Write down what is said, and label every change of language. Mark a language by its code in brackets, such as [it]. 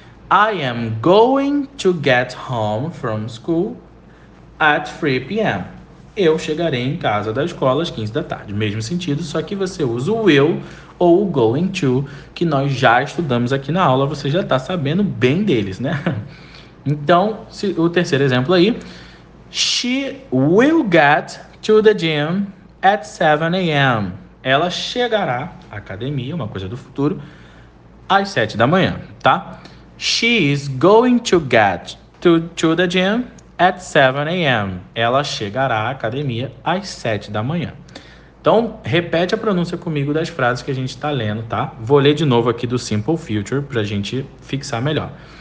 [en] I am going to get home from school at 3 p.m. [pt] Eu chegarei em casa da escola às 15 da tarde. Mesmo sentido, só que você usa o will ou o going to, que nós já estudamos aqui na aula, você já está sabendo bem deles, né? Então, o terceiro exemplo aí. [en] She will get to the gym at 7 a.m. [pt] Ela chegará à academia, uma coisa do futuro, às 7 da manhã, tá? [en] She is going to get to the gym at 7 a.m. [pt] Ela chegará à academia às 7 da manhã. Então, repete a pronúncia comigo das frases que a gente está lendo, tá? Vou ler de novo aqui do Simple Future para a gente fixar melhor.